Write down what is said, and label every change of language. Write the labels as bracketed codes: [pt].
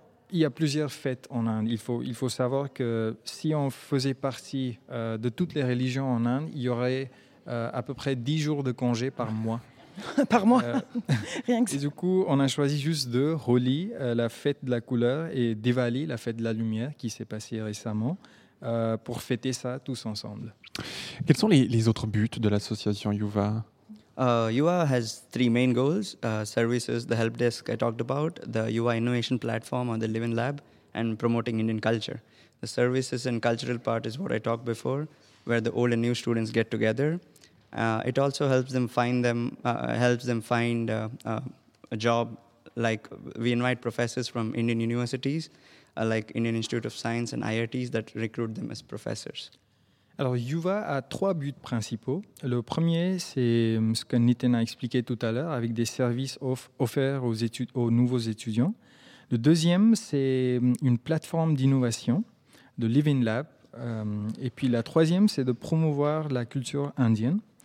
[fr] Il y a plusieurs fêtes en Inde. Il faut savoir que si on faisait partie de toutes les religions en Inde, il y aurait à peu près 10 jours de congé par mois. Par mois, rien que ça. Et du coup, on a choisi juste deux, Holi, la fête de la couleur, et Diwali, la fête de la lumière, qui s'est passée récemment, pour fêter ça tous ensemble. Quels sont les autres buts de l'association Yuva? [en] Yuva has three main goals, services, the help desk I talked about, the Yuva innovation platform or the Living Lab, and promoting Indian culture. The services and cultural part is what I talked before, where the old and new students get together. It also helps them find a job. Like we invite professors from Indian universities like Indian Institute of Science and IITs that recruit them as professors. [fr] Alors, Yuva a trois buts principaux. Le premier, c'est ce que Nitin a expliqué tout à l'heure, avec des services offerts aux nouveaux étudiants. Le deuxième, c'est une plateforme d'innovation, de Living Lab. Et puis la troisième, c'est de promouvoir la culture indienne.